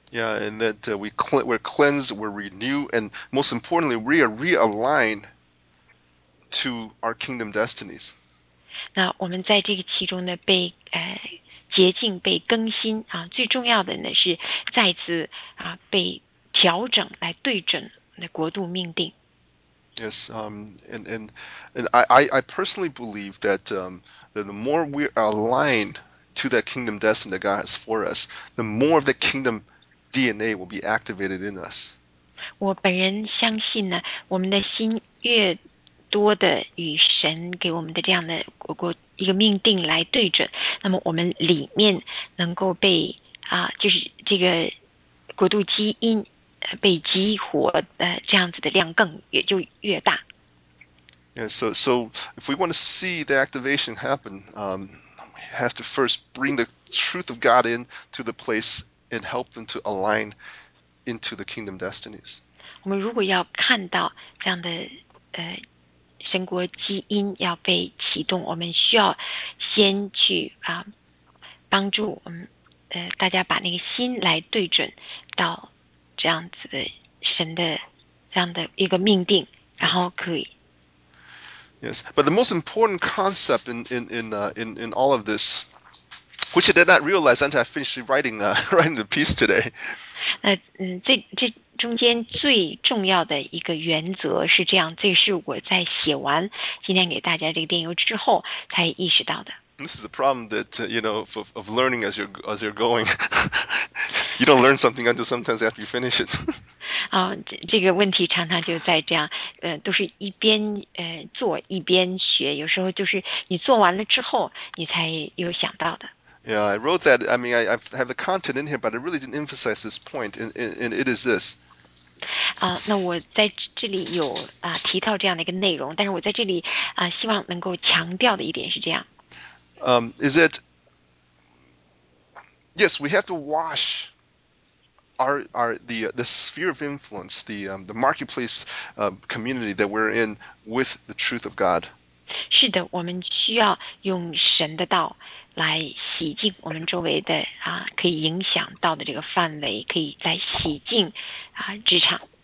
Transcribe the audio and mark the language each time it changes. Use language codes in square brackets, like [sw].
[en] Yeah, and that we're cleansed, we're renewed, and most importantly, we are realigned to our kingdom destinies. [zh] 那我们在这个其中呢，被洁净、被更新最重要的呢是再次被调整来对准那国度命定。 [en] Yes, and I personally believe that that the more we are aligned to that kingdom destiny that God has for us, the more of the kingdom DNA will be activated in us. [zh] 我本人相信呢，我们的心越多的与神给我们的这样的一个命定来对准，那么我们里面能够被就是这个国度基因被激活这样子的量更也就越大。 [en] Yeah, so if we want to see the activation happen, we have to first bring the truth of God in to the place. And help them to align into the kingdom destinies. [zh] 我们如果要看到这样的神国基因要被启动，我们需要先去帮助大家把那个心来对准到这样子的神的这样的一个命定，然后可以。 [en] Yes. Yes. But the most important concept in all of this. Which I did not realize until I finished writing the piece today. [zh] 这中间最重要的一个原则是这样，这是我在写完今天给大家这个电邮之后才意识到的。 [en] This is a problem that you know of learning as you're going. You don't learn something until sometimes after you finish it. [zh] 这个问题常常就在这样，都是一边做一边学，有时候就是你做完了之后，你才有想到的。 [en] Yeah, I wrote that. I mean, I have the content in here, but I really didn't emphasize this point, and it is this. [zh] 那我在这里有提到这样的一个内容，但是我在这里希望能够强调的一点是这样。 [en] Is it? Yes, we have to wash our the sphere of influence, the marketplace, community that we're in with the truth of God. [zh] 是的，我们需要用神的道来洗净我们周围的可以影响到的这个范围，可以来洗净职场。